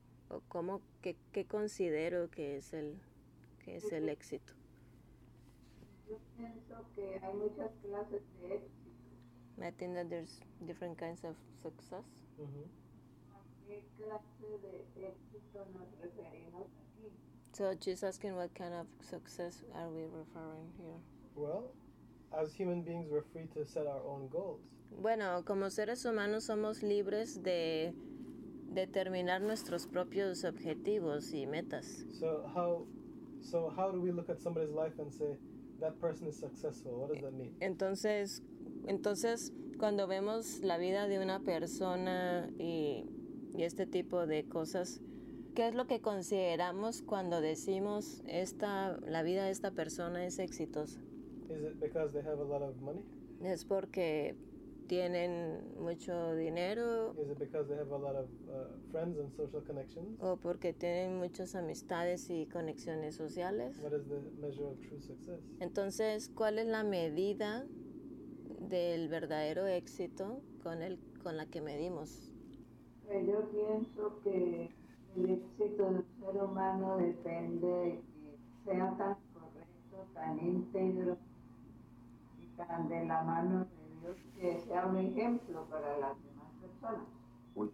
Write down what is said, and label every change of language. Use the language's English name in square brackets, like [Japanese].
[Spanish] ¿O cómo, qué considero que es el éxito? Yo pienso que hay muchas clases de éxito. [English] I think that there's different kinds of success. Mm-hmm. [Spanish] ¿A qué clase de éxito nos referimos aquí? [English] So she's asking what kind of success are we referring here? Well, as human beings, we're free to set our own goals. [Spanish] Bueno, como seres humanos somos libres de determinar nuestros propios objetivos y metas. [English] So how do we look at somebody's life and say that person is successful? What does that mean? [Spanish] Entonces, cuando vemos la vida de una persona y este tipo de cosas, ¿qué es lo que consideramos cuando decimos la vida de esta persona es exitosa? [English] Is it because they have a lot of money? [Spanish] ¿Es porque tienen mucho dinero? [English] Is it because they have a lot of friends and social connections? [Spanish] ¿O porque tienen muchas amistades y conexiones sociales? [English] What is the measure of true success? [Spanish] Entonces, ¿cuál es la medida del verdadero éxito con la que medimos? Yo pienso que el éxito del ser humano depende de que sea tan correcto, tan íntegro y tan de la mano de Dios que sea un ejemplo para las demás personas.